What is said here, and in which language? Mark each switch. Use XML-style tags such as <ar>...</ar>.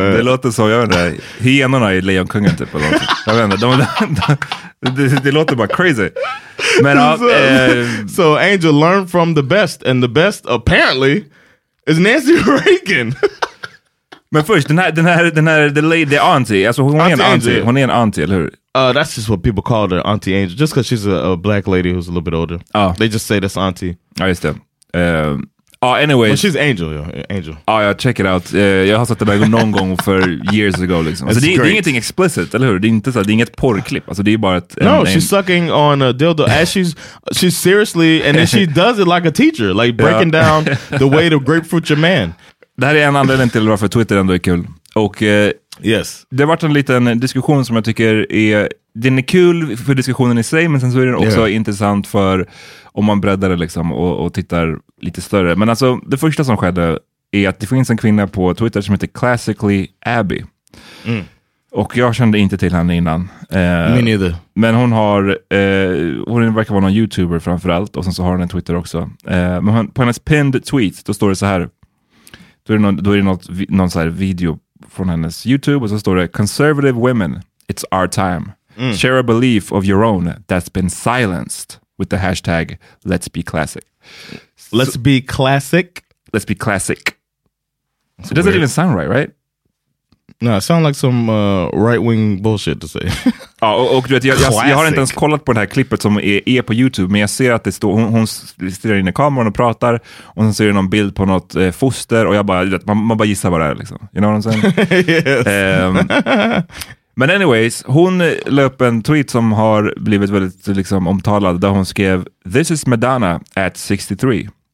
<sv>Det låter så, jag vet inte. Hyenorna är lejonkungen typ. Eller jag vet inte. Det låter bara crazy.</sv> <en>Men, so Angel learned from the best. And the best, apparently, is Nancy Reagan.</en> <sv>Men först, den här</sv> <en>the lady, the auntie.</en> <sv>Alltså, hon är en auntie, eller hur?</sv> <en>That's just what people call her, Auntie Angel. Just because she's a black lady who's a little bit older. Oh. They just say that's auntie.</en> <sv>Ja, just det. Anyway.</sv> <en>Well, she's Angel, yeah. Angel. Oh, yeah, check it out.</en> <sv>Jag har satt det där någon gång för</sv> <en>years ago,</en> <sv>liksom. Alltså, det är ingenting explicit, eller hur? Det är inget porrklipp. Alltså, det är bara ett...</sv> <en>No, she's sucking on a dildo. As she's seriously, and then she does it like a teacher. Like, breaking down the way to grapefruit your man.</en> <sv>Det här är en anledning till varför Twitter ändå är kul. Och</sv> <en>yes.</en> <sv>Det har varit en liten diskussion som jag tycker är... Den är kul för diskussionen i sig, men sen så är den också intressant för om man breddar det liksom och tittar lite större. Men alltså, det första som skedde är att det finns en kvinna på Twitter som heter Classically Abby. Mm. Och jag kände inte till henne innan.</sv> <en>Me neither.</en> <sv>Men hon har, hon verkar vara någon YouTuber framförallt, och sen så har hon en Twitter också. Men på hennes pinned tweet, då står det så här. Då är det någon så här video från hennes YouTube, och så står det:</sv> <en>"Conservative women, it's our time. Share a belief of your own that's been silenced with the hashtag let's be classic." Let's be classic? Let's be classic. That's it weird. Doesn't even sound right, right? No, it sounds like some right-wing bullshit to say.</en> <sv>Ja, och du vet, jag har inte ens kollat på det här klippet som är på YouTube, men jag ser att det står, hon stirrar in i kameran och pratar, och sen ser du någon bild på något foster, och jag bara, vet, man bara gissar vad det är, liksom.</sv> <en>You know what I'm saying?</en> <sv>Men anyways, hon la upp en tweet som har blivit väldigt liksom omtalad, där hon skrev:</sv> <en>"This is Madonna at 63.</en>